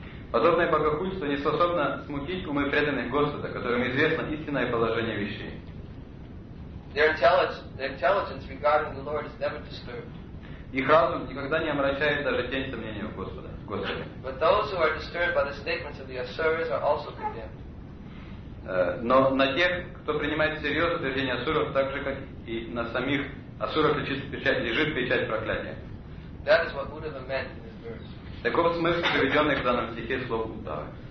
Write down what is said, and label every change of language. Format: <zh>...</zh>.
<ru>Подобное богохульство не способно смутить умы преданных Господа, которым известно истинное положение вещей.</ru> <en>Their intelligence regarding the Lord is never disturbed.</en> <ru>Их разум никогда не омрачает даже тень сомнения в Господе.</ru> <en>But those who are disturbed by the statements of the asuras are also condemned.</en> <ru>Но на тех, кто принимает всерьез утверждение асуров, так же как и на самих асурах лежит печать проклятия.</ru> <en>That is what Buddha meant in this verse.</en> <ru>Таков смысл приведенных в данном стихе слов Удава.</ru>